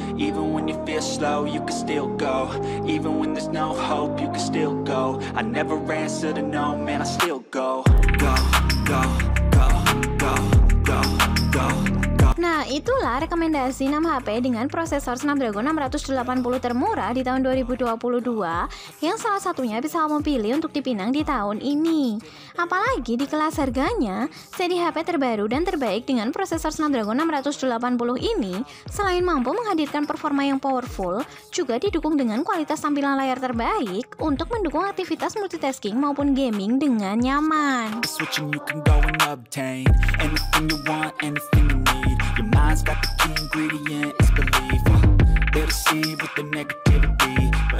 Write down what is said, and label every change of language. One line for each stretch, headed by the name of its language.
English: Even when you feel slow, you can still go. Even when there's no hope, you can still go. I never answer to no, man, I still go. Go, go, go, go, go, go.
Indonesian: Nah, itulah rekomendasi 6 HP dengan prosesor Snapdragon 680 termurah di tahun 2022 yang salah satunya bisa kamu pilih untuk dipinang di tahun ini. Apalagi di kelas harganya, seri HP terbaru dan terbaik dengan prosesor Snapdragon 680 ini selain mampu menghadirkan performa yang powerful, juga didukung dengan kualitas tampilan layar terbaik untuk mendukung aktivitas multitasking maupun gaming dengan nyaman.
English: Switching, you can go and obtain anything you want, anything you need. Your mind's got the key ingredient, it's belief. Better see with the negativity.